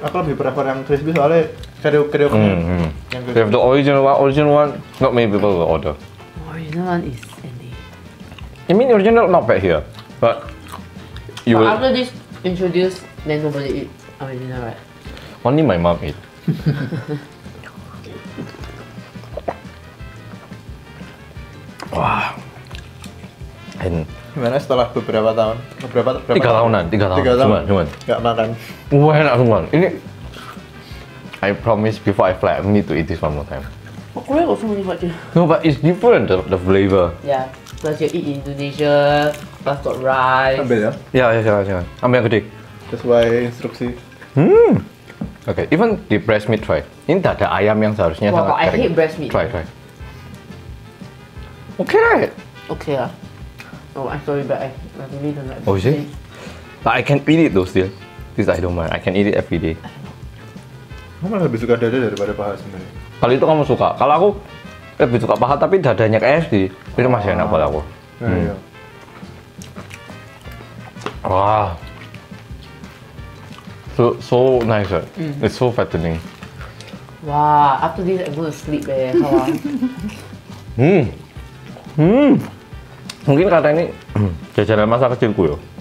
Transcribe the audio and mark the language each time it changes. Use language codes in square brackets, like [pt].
[id] Aku lebih prefer yang crispy soalnya kriuk-kriuknya. [en] They have the original one, not many people will order. Original one is ending. I mean, original not bad here, but... You but after this introduce, then nobody eat original, right? Only my mom eat. Wow. And [id] Gimana setelah beberapa tahun? Tiga tahunan. Gak makan. [en] Wah, enak banget. Ini I promise before I fly, I need to eat this one more time. [id] Pokoknya gak semuanya aja. [en] No, but it's different the flavor. Yeah. Plus you eat Indonesia, plus got rice. [id] Ambil ya? Iya, silakan. Ambil yang gede. [en] That's why instruksi. Okay, even the breast meat try. [id] Ini tak ada ayam yang seharusnya sangat kering. [en] I hate breast meat. Try. Okay, right? Okay lah. Oh, I'm sorry, but I really don't like breast meat. Oh, is it? But I can eat it though still. This I don't mind. I can eat it every day. [id] Kamu lebih suka dada daripada paha sebenarnya? Kalau itu kamu suka. Kalau aku lebih suka paha tapi dadanya KFC. Itu masih enak buat aku. Iya. Wah. [en] So nice, right? Mm. It's so fattening. Wow, after this, I'm going to sleep, eh. [id] Mungkin kata ini jajanan masa kecilku, yo.